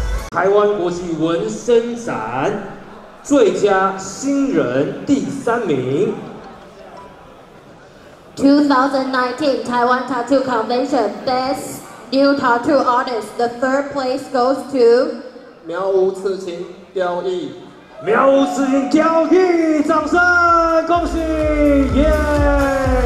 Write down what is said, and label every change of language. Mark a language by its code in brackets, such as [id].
[zh] 台湾国际纹身展最佳新人第三名 [en] 2019 Taiwan Tattoo Convention Best New Tattoo Artist The third place goes to [zh] 苗无刺青雕艺苗无刺青雕艺掌声恭喜耶、yeah!